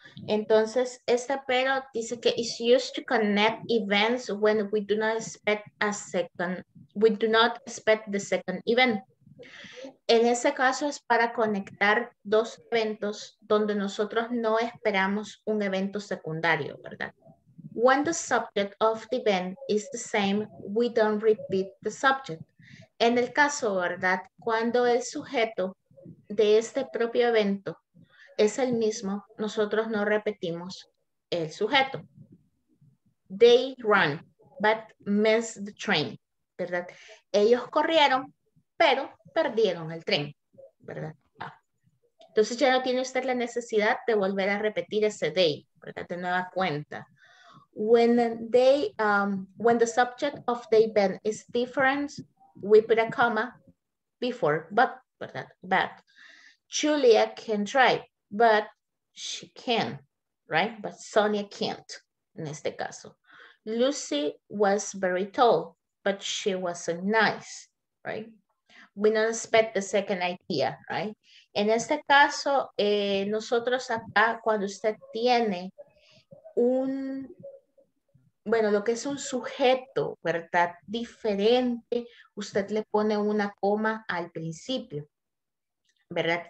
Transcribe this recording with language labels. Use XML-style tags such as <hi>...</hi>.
<es>Entonces, este pero dice que</es> <en>it's used to connect events when we do not expect a second, we do not expect the second event.</en> <es>En ese caso es para conectar dos eventos donde nosotros no esperamos un evento secundario, ¿verdad?</es> <en>When the subject of the event is the same, we don't repeat the subject.</en> <es>En el caso, ¿verdad? Cuando el sujeto de este propio evento es el mismo, nosotros no repetimos el sujeto.</es> <en>They run, but missed the train,</en> <es>¿verdad? Ellos corrieron, pero perdieron el tren, ¿verdad? Entonces ya no tiene usted la necesidad de volver a repetir ese they, ¿verdad? De nueva cuenta.</es> <en>When the subject of the event is different, we put a comma before but,</en> <es>¿verdad?</es> <en>But Julia can try. But she can, right? But Sonia can't,</en> <es>en este caso.</es> <en>Lucy was very tall, but she wasn't nice, right? We don't expect the second idea, right?</en> <es>En este caso, nosotros acá, cuando usted tiene un, bueno, lo que es un sujeto, ¿verdad? Diferente, usted le pone una coma al principio. ¿Verdad?</es>